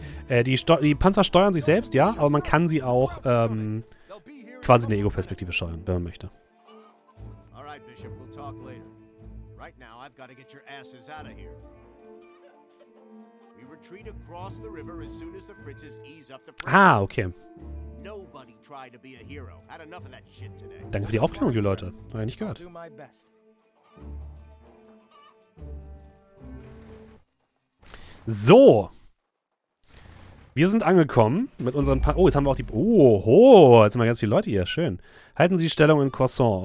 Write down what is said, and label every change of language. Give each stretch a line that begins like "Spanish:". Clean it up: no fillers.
German: Die Panzer steuern sich selbst, ja, aber man kann sie auch quasi in der Ego-Perspektive steuern, wenn man möchte.
English: Bishop, we'll talk later. Right now, I've got to get your asses out of here. We retreat across the river as soon as the Fritzes ease up the pressure. Ah, okay. Nobody tried to be a hero. Had enough of that shit today.
German: Danke für die Aufklärung, ihr Leute. Habe ich nicht gehört. So. Wir sind angekommen mit unseren Oh, jetzt haben wir auch die... jetzt haben wir ganz viele Leute hier. Schön. Halten Sie die Stellung in Croissant.